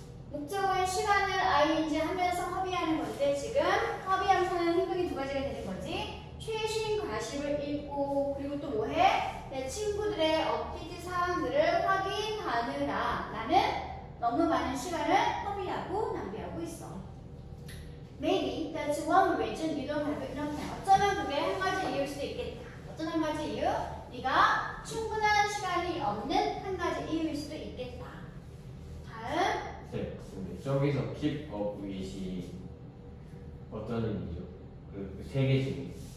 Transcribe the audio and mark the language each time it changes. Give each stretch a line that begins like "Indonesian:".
Korean: 목적어의 시간을 ing 하면서 허비하는 건데 지금 허비하면서는 행동이 두 가지가 되는 거지. 최신 과실을 읽고 그리고 또 뭐해? 내 친구들의 업데이트 사항들을 확인하느라 나는 너무 많은 시간을 허비하고 낭비하고 있어.
English: Maybe that's one reason you don't have enough time.
Korean: 어쩌면 그게 한 가지 이유일 수도 있겠다. 어쩌면 한 가지 이유? 네가 충분한 시간이 없는 한 가지 이유일 수도 있겠다. 다음 네, 저기서 keep up with이 어떤 의미죠? 그 세 개씩